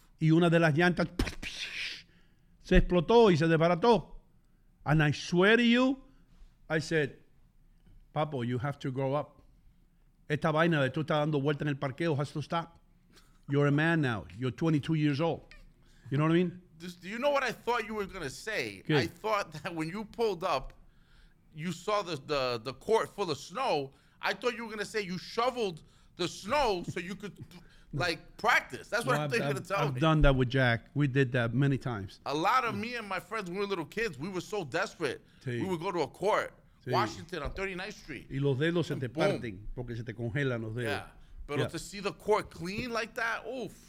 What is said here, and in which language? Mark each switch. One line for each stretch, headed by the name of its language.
Spanish: Y una de las llantas se explotó y se desbarató.
English: And I swear to you, I said, papo, you have to grow up.
Spanish: Esta vaina de tú estás dando vuelta en el parqueo,
English: has to stop. You're a man now. You're 22 years old. You know what I mean? Do you know what I thought you were going to say? Okay. I thought that when you pulled up, you saw the court full of snow. I thought you were going to say you shoveled the snow so you could, like, practice. That's what I thought you were going to tell me. I've done that with Jack. We did that many times. A lot of me and my friends, when we were little kids, we were so desperate.
Spanish: Sí.
English: We would go to a court, sí. Washington on 39th Street.
Spanish: Y los dedos se te parten porque se te congelan los dedos.
English: Yeah. But to see the court clean like that, oof.